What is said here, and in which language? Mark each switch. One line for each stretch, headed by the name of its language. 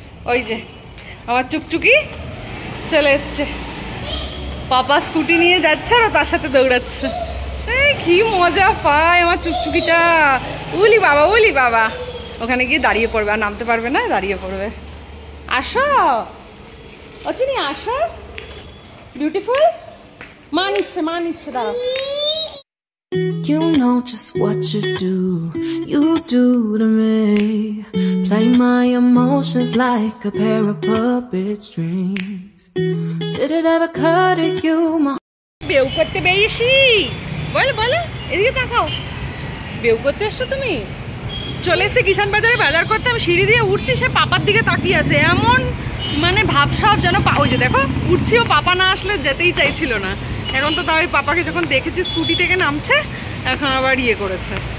Bangla: ওই যে আমার চুকচুকি চলে এসছে, পাপা স্কুটি নিয়ে যাচ্ছে আর তার সাথে দৌড়াচ্ছে, কি মজা পায় আমার চুকচুকিটা। উলি বাবা, উলি বাবা, ওখানে গিয়ে দাঁড়িয়ে পড়বে, আর নামতে পারবে না, দাঁড়িয়ে পড়বে। আসো অচিনি, আসো, বিউটিফুল, মা নিচ্ছে, মা নিচ্ছে, দাঁড়াও।
English: You know just what you do to me. Play my emotions like a pair of puppet strings. Did it ever occur to you, my...
Bangla: বেউ করতে বেশি, বলো বলো এদিকে তাকাও, বেউ করতে এসছো তুমি? চলে এসছে কিষান বাজারে বাজার করতে, আমি সিঁড়ি দিয়ে উঠছি, সে পাপার দিকে তাকিয়ে আছে, এমন মানে ভাবসাব যেন পা, ওই যে দেখো উঠছি, ও পাপা না আসলে যেতেই চাইছিল না, এখন তো তাই পাপাকে যখন দেখেছি স্কুটি থেকে নামছে এখন আবার ইয়ে করেছে।